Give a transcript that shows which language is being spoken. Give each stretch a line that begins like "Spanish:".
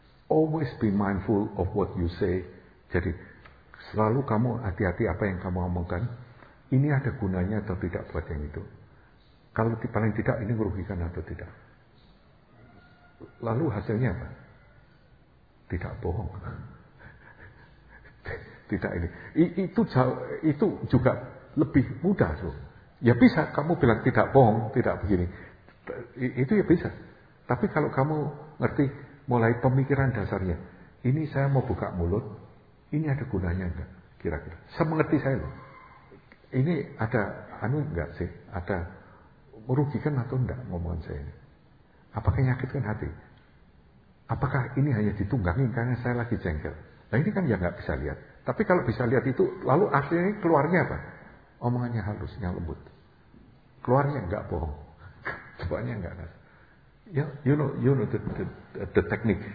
English: Always be mindful of what you say.
Indonesian: Jadi selalu kamu hati-hati apa yang kamu omongkan. Ini ada gunanya atau tidak buat yang itu. Kalau paling tidak ini merugikan atau tidak. Lalu hasilnya apa? Tidak bohong. Tidak ini. Itu juga lebih mudah tuh. Ya bisa kamu bilang tidak bohong, tidak begini. Itu ya bisa. Tapi kalau kamu ngerti mulai pemikiran dasarnya, ini saya mau buka mulut, ini ada gunanya enggak kira-kira? Semengerti saya loh. Ini ada anu enggak sih? Ada merugikan atau enggak ngomongan saya ini? Apakah menyakitkan hati? Apakah ini hanya ditunggangi karena saya lagi jengkel? Nah ini kan ya enggak bisa lihat. Tapi kalau bisa lihat itu, lalu akhirnya keluarnya apa? Omongannya halus, yang lembut. Keluarnya enggak bohong. Keluarnya enggak nas.
English: Ya, you know the technique.